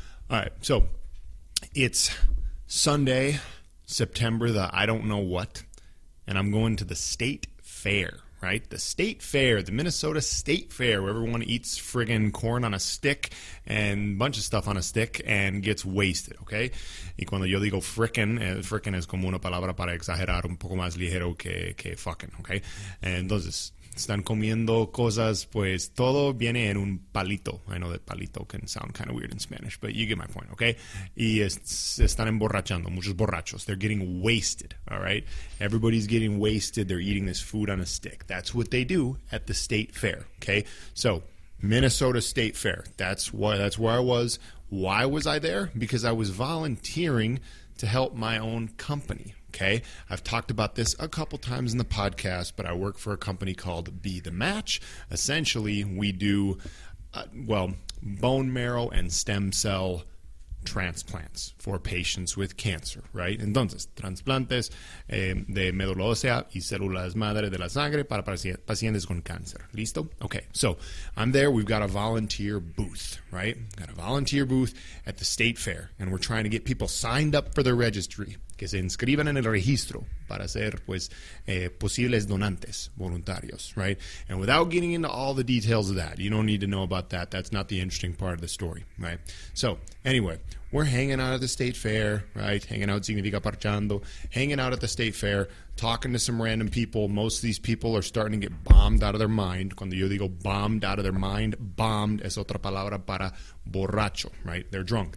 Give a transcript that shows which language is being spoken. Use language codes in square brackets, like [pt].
[en] All right, so it's Sunday, September the I don't know what, and I'm going to the state fair, right? The state fair, the Minnesota State Fair, where everyone eats friggin' corn on a stick and a bunch of stuff on a stick and gets wasted, okay? [es] Y cuando yo digo frickin' es como una palabra para exagerar un poco más ligero que fucking, okay? Entonces, están comiendo cosas, pues todo viene en un palito. [en] I know that palito can sound kind of weird in Spanish, but you get my point, okay? [es] Y están emborrachando, muchos borrachos. [en] They're getting wasted, all right? Everybody's getting wasted. They're eating this food on a stick. That's what they do at the state fair, okay? So, Minnesota State Fair. That's where I was. Why was I there? Because I was volunteering to help my own company. Okay, I've talked about this a couple times in the podcast, but I work for a company called Be The Match. Essentially, we do, bone marrow and stem cell transplants for patients with cancer, right? [es] Entonces, transplantes de médula ósea y células madre de la sangre para pacientes con cáncer. ¿Listo? [en] Okay, so I'm there. We've got a volunteer booth, right? We've got a volunteer booth at the state fair, and we're trying to get people signed up for the registry. [es] Que se inscriban en el registro para ser, pues, posibles donantes voluntarios, right? [en] And without getting into all the details of that, you don't need to know about that. That's not the interesting part of the story, right? So, anyway, we're hanging out at the state fair, right? Hanging out [es] significa parchando. [en] Hanging out at the state fair, talking to some random people. Most of these people are starting to get bombed out of their mind. [es] Cuando yo digo [en] bombed out of their mind, bombed [es] es otra palabra para borracho, [en] right? They're drunk.